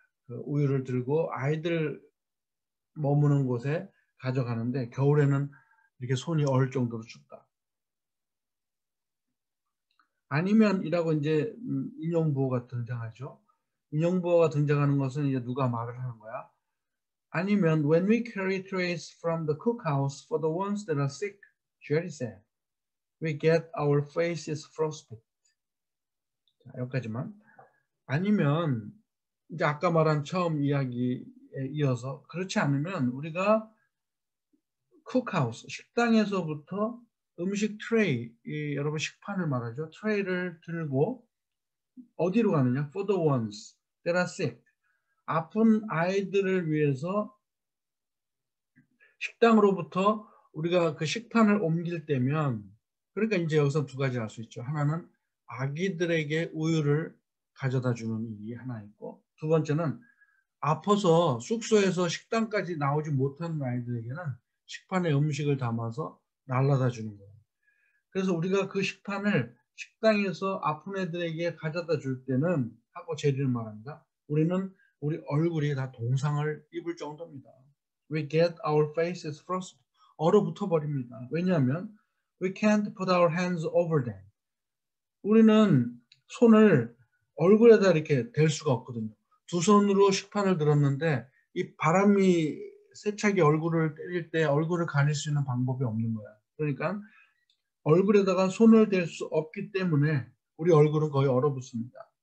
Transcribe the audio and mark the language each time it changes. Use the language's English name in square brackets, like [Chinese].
[Korean] 우유를 들고 아이들 머무는 곳에 가져가는데 겨울에는 이렇게 손이 얼 정도로 춥다. 아니면 이라고 이제 인용부호가 등장하죠. 인용부호가 등장하는 것은 이제 누가 말을 하는 거야? 아니면 [English] when we carry trays from the cookhouse for the ones that are sick, Jerry said, we get our faces frostbite. [Korean] 자, 여기까지만. 아니면 이제 아까 말한 처음 이야기에 이어서 그렇지 않으면 우리가 쿡하우스 식당에서부터 음식 트레이, 이 여러분 식판을 말하죠. 트레이를 들고 어디로 가느냐? [English] For the ones that are sick. [Korean] 아픈 아이들을 위해서 식당으로부터 우리가 그 식판을 옮길 때면 그러니까 이제 여기서 두 가지 할 수 있죠. 하나는 아기들에게 우유를 가져다 주는 일이 하나 있고 두 번째는 아파서 숙소에서 식당까지 나오지 못하는 아이들에게는 식판에 음식을 담아서 날라다 주는 거예요. 그래서 우리가 그 식판을 식당에서 아픈 애들에게 가져다 줄 때는 하고 제리를 말합니다. 우리는 우리 얼굴이 다 동상을 입을 정도입니다. [English] We get our faces frost. [Korean] 얼어붙어 버립니다. 왜냐하면 [English] We can't put our hands over them. [Korean] 우리는 손을 얼굴에다 이렇게 댈 수가 없거든요. 두 손으로 식판을 들었는데 이 바람이 세차게 얼굴을 때릴 때 얼굴을 가릴 수 있는 방법이 없는 거야. 그러니까 얼굴에다가 손을 댈 수 없기 때문에 우리 얼굴은 거의 얼어붙습니다.